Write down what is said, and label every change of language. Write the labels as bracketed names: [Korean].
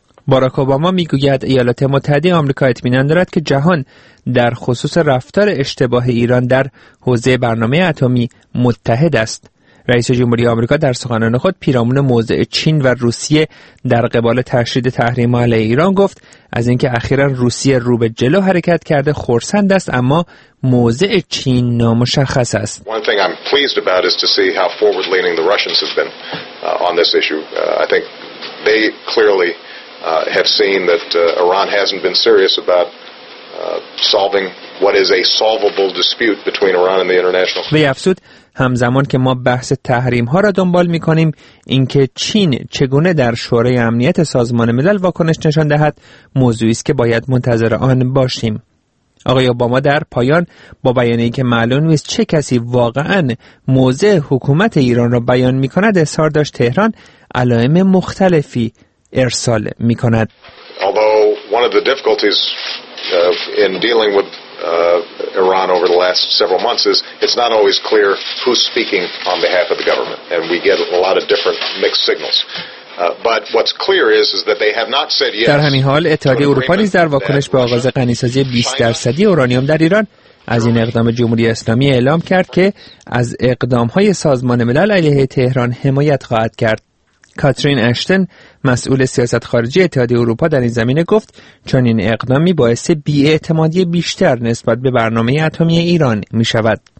[Persian] باراک اوباما میگوید ایالات متحده آمریکا اطمینان دارد که جهان در خصوص رفتار اشتباه ایران در حوزه برنامه اتمی متحد است. رئیس جمهوری آمریکا در سخنان خود پیرامون موضع چین و روسیه در قبال تشدید تحریم علیه ایران گفت از اینکه اخیراً روسیه رو به جلو حرکت کرده خرسند است، اما موضع چین نامشخص است. [English] One thing I'm pleased about is to see how forward-leaning the Russians have been on this issue. I think they clearly have seen that Iran hasn't been serious about solving what is a solvable dispute between Iran and the international community. [Persian] وی افزود همزمان که ما بحث تحریم ها را دنبال می کنیم، اینکه چین چگونه در شورای امنیت سازمان ملل واکنش نشان دهد موضوعی است که باید منتظر آن باشیم. آقای اوباما در پایان با بیانیه که معلوم نیست چه کسی واقعا موضع حکومت ایران را بیان می کند اظهار داشت تهران علائم مختلفی ارسال می کند. [English] Although one of the difficulties in dealing with Iran over the last several months is it's not always clear who's speaking on behalf of the government and we get a lot of different mixed signals. But what's clear is that they have not said yes. [Persian] در همین حال اتحادیه اروپا نیز در واکنش به آغاز غنی‌سازی 20% اورانیوم در ایران از این اقدام جمهوری اسلامی اعلام کرد که از اقدام‌های سازمان ملل علیه تهران حمایت خواهد کرد. کاترین اشتن مسئول سیاست خارجی اتحادیه اروپا در این زمینه گفت چون این اقدامی باعث بی‌اعتمادی بیشتر نسبت به برنامه اتمی ایران می شود.